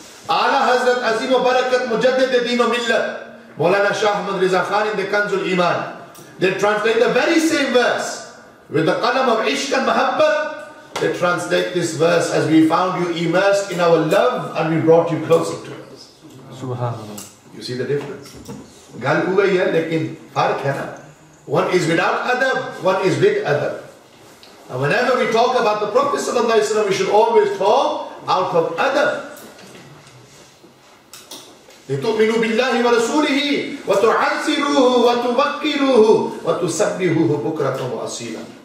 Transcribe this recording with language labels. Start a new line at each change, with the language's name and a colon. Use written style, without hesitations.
English: Ala Hazrat Azim wa Barakat Mujaddid-e Deen wa Millat, Mawlana Shah Ahmad Riza Khan in the Kanzul Iman, they translate the very same verse with the qalam of Ishq and Mahabbat. They translate this verse as we found you immersed in our love and we brought you closer to us. Subhanallah. You see the difference?
Urdu: ਗੱਲ ਹੁਵਾ ਹੈ ਲੇਕਿਨ ਫ਼ਰਕ ਹੈ ਨਾ.
English: One is without adab, one is with adab. And whenever we talk about the Prophet sallallahu alaihi wasallam, we should always talk out of adab.
Arabic: لِتُؤْمِنُوا بِاللَّهِ وَرَسُولِهِ وَتُعَزِّرُوهُ وَتُوَقِّرُوهُ وَتُسَبِّحُوهُ بُكْرَةً وَأَصِيلًا.